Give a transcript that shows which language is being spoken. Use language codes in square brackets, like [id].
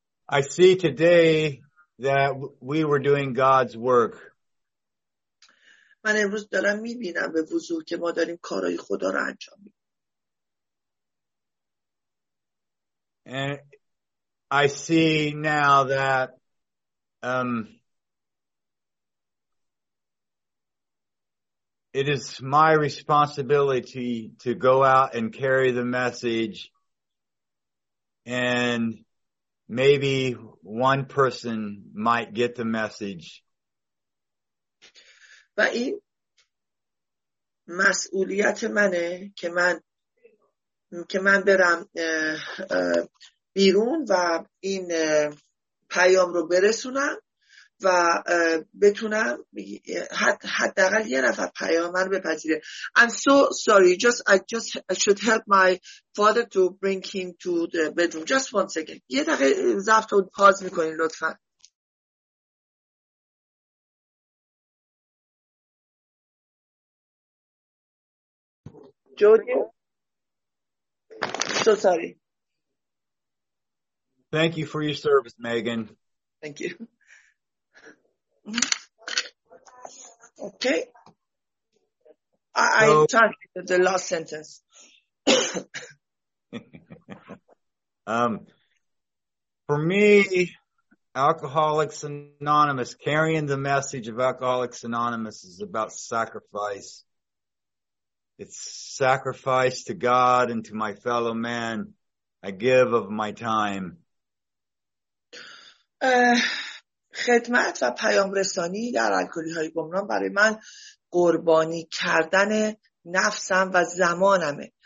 [en] I see today that we were doing God's work. [fa] من امروز دارم میبینم به وضوح که ما داریم کارهای خدا رو انجام میدیم. [en] And I see now that it is my responsibility to go out and carry the message and maybe one person might get the message. [fa] و این مسئولیت منه که من برم بیرون و این پیام رو برسونم و بتونم حداقل یه نفر پیام من رو بپذیره. [en] I'm so sorry, I should help my father to bring him to the bedroom. Just one second. [fa] یه دقیقه ضبط رو پاز میکنین لطفا. [en] So sorry. Thank you for your service, Megan. Thank you. Okay. I translated the last sentence. For me, Alcoholics Anonymous, carrying the message of Alcoholics Anonymous is about sacrifice. It's sacrifice to God and to my fellow man. I give of my time. [fa] خدمت و پیام رسانی در الکلی‌های گمنام برای من قربانی کردن نفسم و زمانمه.